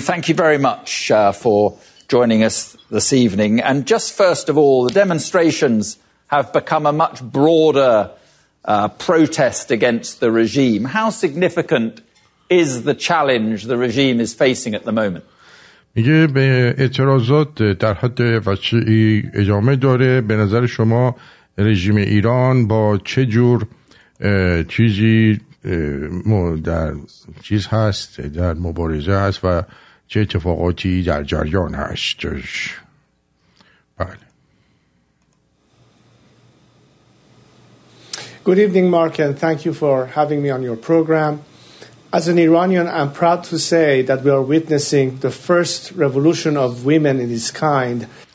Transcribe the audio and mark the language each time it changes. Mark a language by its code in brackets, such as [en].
[en] Thank you very much for joining us this evening. And just first of all, the demonstrations have become a much broader protest against the regime. How significant is the challenge the regime is facing at the moment? [fa] میگه به اعتراضات در حد وسیعی ادامه داره. به نظر شما رژیم ایران با چه جور چیزی در چیز هست، در مبارزه هست و چه اتفاقاتی در جریان هست؟ بله. [en] Good evening, Mark, and thank you for having me on your program. As an Iranian, I'm proud to say that we are witnessing the first revolution of women in this kind.